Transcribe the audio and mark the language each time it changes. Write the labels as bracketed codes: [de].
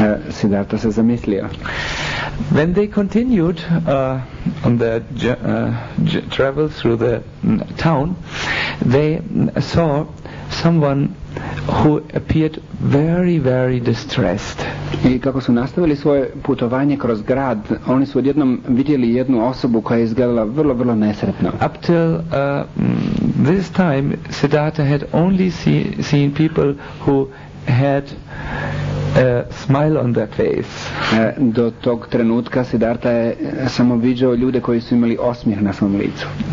[hr] Siddhartha se zamislio. [en] When they continued on their travel through the town, they saw someone who appeared very, very distressed. [hr] I kako su nastavili svoje putovanje kroz grad, oni su odjednom vidjeli jednu osobu koja je izgledala vrlo, vrlo nesretno. [en] Up till this time, Siddhartha had only seen people who had a smile on their face. [hr] Do tog trenutka Siddhartha je samo viđao ljude koji su imali osmijeh na svom licu.